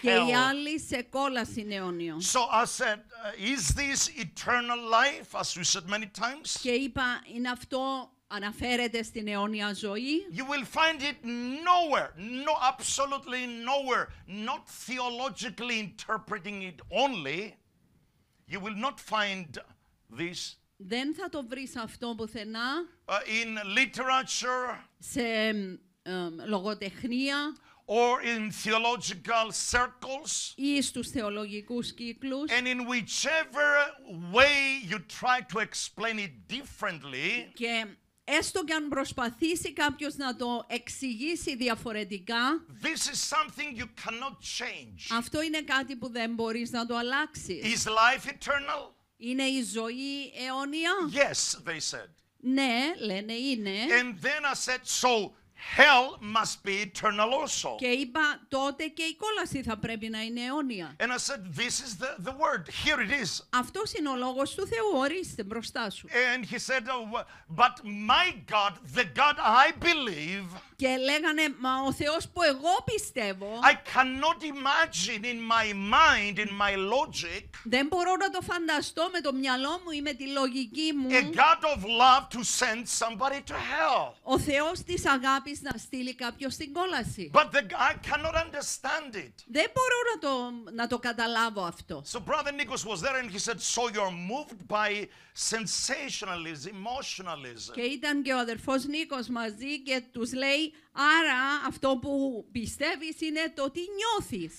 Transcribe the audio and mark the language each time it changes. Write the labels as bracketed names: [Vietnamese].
[Greek] Και οι άλλοι σε κόλαση αιώνιον. [English] So I said, is this eternal life, as we said many times? [Greek] Και είπα, είναι αυτό αναφέρεται στην αιώνια ζωή? [English] You will find it nowhere, no, absolutely nowhere, not theologically interpreting it only. You will not find this. [Greek] Δεν θα το βρεις αυτό πουθενά. [English] In literature. [Greek] Σε λογοτεχνία. [English] Or in theological circles. [Greek] Ή στους θεολογικούς κύκλους. [English] And in whichever way you try to explain it differently. [Greek] Και έστω και αν προσπαθήσει κάποιος να το εξηγήσει διαφορετικά. [English] This is something you cannot change. [Greek] Αυτό είναι κάτι που δεν μπορείς να το αλλάξεις. [English] Is life eternal? [Greek] Είναι η ζωή αιώνια? [English] Yes, they said. [Greek] Ναι, λένε είναι. [English] And then I said, so hell must be eternal also. [Greek] Και είπα, τότε και η κόλαση θα πρέπει να είναι αιώνια. [English] And I said, this is the word, here it is. [Greek] Αυτός είναι ο λόγος του Θεού, ορίστε μπροστά σου. [English] And he said, but my God, the God I believe. [Greek] Και λέγανε, μα ο Θεός που εγώ πιστεύω. [English] I cannot imagine in my mind, in my logic. [Greek] Δεν μπορώ να το φανταστώ με το μυαλό μου ή με τη λογική μου. [English] A God of love to send somebody to hell. [Greek] Ο Θεός της αγάπης να στείλει κάποιον στην κόλαση. [English] But I cannot understand it. [Greek] Δεν μπορώ να το καταλάβω αυτό. [English] So Brother Nikos was there and he said, so you're moved by sensationalism, emotionalism. [Greek] Και ήταν και ο αδερφός Νίκος μαζί και τους λέει, άρα αυτό που πιστεύεις είναι το τι νιώθεις.